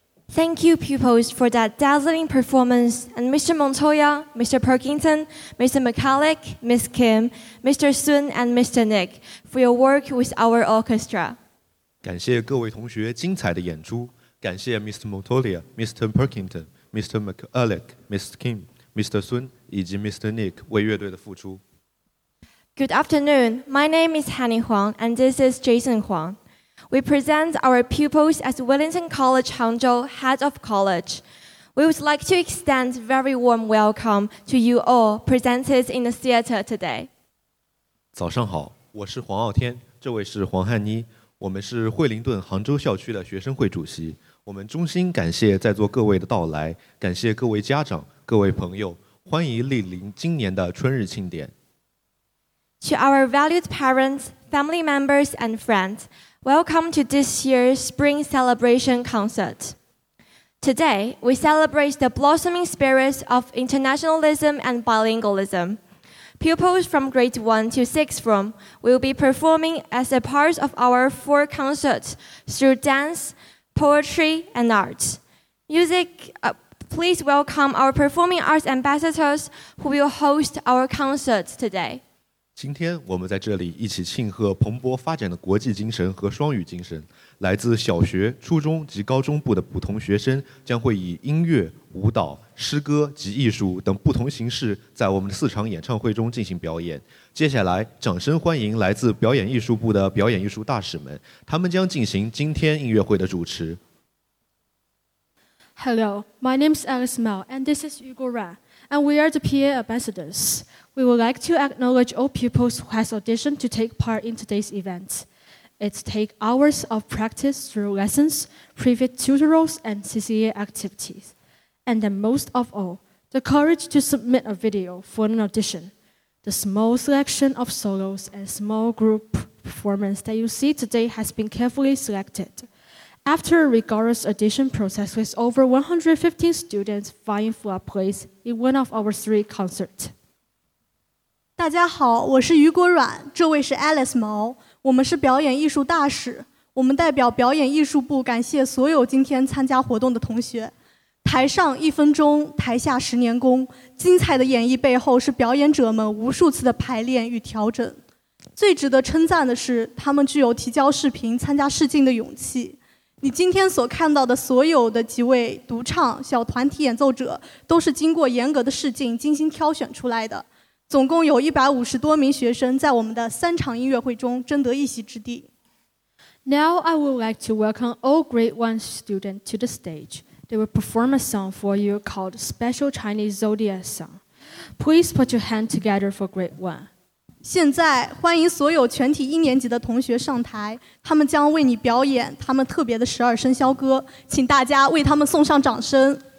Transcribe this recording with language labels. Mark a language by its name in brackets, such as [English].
[English] Thank you, pupils, for that dazzling performance. And Mr. Montoya, Mr. Perkinton, Mr. McCulloch, Ms. Kim, Mr. Sun, and Mr. Nick, for your work with our orchestra. [Chinese] 感谢各位同学精彩的演出，感谢 Mr. Montoya, Mr. Perkinton, Mr. McCulloch, Ms. Kim, Mr. Sun, 以及 Mr. Nick 为乐队的付出。 [English] Good afternoon. My name is Hanny Huang, and this is Jason Huang. We present our pupils as Wellington College Hangzhou Head of College. We would like to extend very warm welcome to you all presented in the theater today. [Chinese] 早上好，我是黄傲天，这位是黄汉妮，我们是惠灵顿杭州校区的学生会主席。我们衷心感谢在座各位的到来，感谢各位家长、各位朋友，欢迎莅临今年的春日庆典。 [English] To our valued parents, family members, and friends,Welcome to this year's Spring Celebration Concert. Today, we celebrate the blossoming spirits of internationalism and bilingualism. Pupils from grade 1 to 6 from will be performing as a part of our 4 concerts through dance, poetry, and arts. Music, please welcome our performing arts ambassadors who will host our concerts today. [Chinese] 今天我们在这里一起庆贺蓬勃发展的国际精神和双语精神。来自小学、初中及高中部的不同学生将会以音乐、舞蹈、诗歌及艺术等不同形式在我们的四场演唱会中进行表演。接下来，掌声欢迎来自表演艺术部的表演艺术大使们，他们将进行今天音乐会的主持。 [English] Hello, my name is Alice Mao, and this is Hugo Ra, and we are the PA ambassadors. We would like to acknowledge all pupils who have auditioned to take part in today's event. It takes hours of practice through lessons, private tutorials, and CCA activities. And then most of all, the courage to submit a video for an audition. The small selection of solos and small group performance that you see today has been carefully selected. After a rigorous audition process with over 115 students vying for a place in one of our 3 concerts, [Chinese] 大家好，我是于国软，这位是 Alice 毛，我们是表演艺术大使，我们代表表演艺术部感谢所有今天参加活动的同学。台上一分钟，台下十年功，精彩的演绎背后是表演者们无数次的排练与调整。最值得称赞的是，他们具有提交视频参加试镜的勇气。你今天所看到的所有的几位独唱小团体演奏者，都是经过严格的试镜精心挑选出来的。总共有150多名学生在我们的三场音乐会中争得一席之地。 [English] Now I would like to welcome all grade 1 students to the stage. They will perform a song for you called Special Chinese Zodiac Song. Please put your hand together for grade 1. [Chinese] 现在欢迎所有全体一年级的同学上台，他们将为你表演他们特别的十二生肖歌，请大家为他们送上掌声。